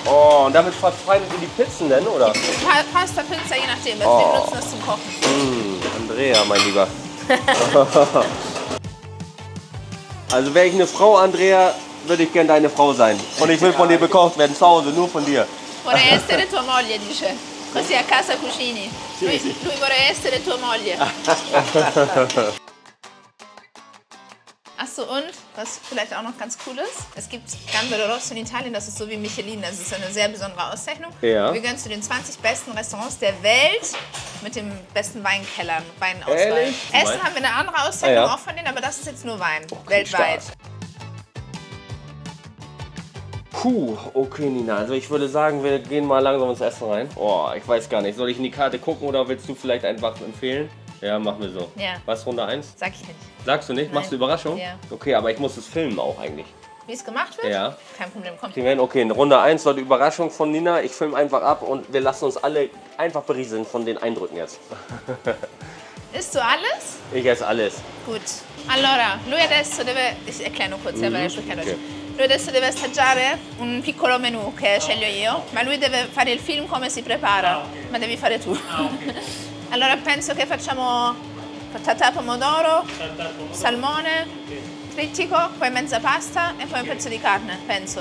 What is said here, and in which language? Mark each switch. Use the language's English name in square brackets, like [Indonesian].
[German] Oh, und damit verfeinern die Pizzen denn, oder? Pasta, Pizza, je nachdem. Wir benutzen das zum Kochen. Andrea, mein Lieber. Also wäre ich eine Frau, Andrea, würde ich gerne deine Frau sein. Und ich will von dir bekocht werden, zu Hause, nur von dir. [Italian] Vorrei essere tua moglie, dice. Così a casa cucini. Lui vorrei essere tua moglie. [German] Achso, und was vielleicht auch noch ganz cool ist, es gibt Gambero Rosso in Italien, das ist so wie Michelin, das ist eine sehr besondere Auszeichnung. Ja. Wir gehören zu den 20 besten Restaurants der Welt mit dem besten Weinkellern, Weinauswahl. Ehrlich? Essen haben wir eine andere Auszeichnung auch von denen, aber das ist jetzt nur Wein, weltweit. Stark. Puh, okay Nina, also ich würde sagen, wir gehen mal langsam ins Essen rein. Boah, ich weiß gar nicht, soll ich in die Karte gucken oder willst du vielleicht einfach empfehlen? Ja, machen wir so. Ja. Was, Runde 1? Sag ich nicht. Sagst du nicht? Nein. Machst du Überraschung? Ja. Okay, aber ich muss es filmen auch eigentlich. Wie es gemacht wird? Ja. Kein Problem, kommt. Kriegen wir hin? Okay, in Runde 1 soll die Überraschung von Nina, ich filme einfach ab und wir lassen uns alle einfach berieseln von den Eindrücken jetzt. Isst du alles? Ich esse alles. [Italian] Gut. Allora, lui adesso deve... [German] Ich erkläre nur kurz, weil er spricht kein Deutsch. [Italian] Lui adesso deve assaggiare un piccolo menu che sceglio io, ma lui deve fare il film come si prepara, ma devi fare tu. Allora penso che facciamo patata pomodoro, salmone, trittico, poi mezza pasta e poi un pezzo di carne, penso.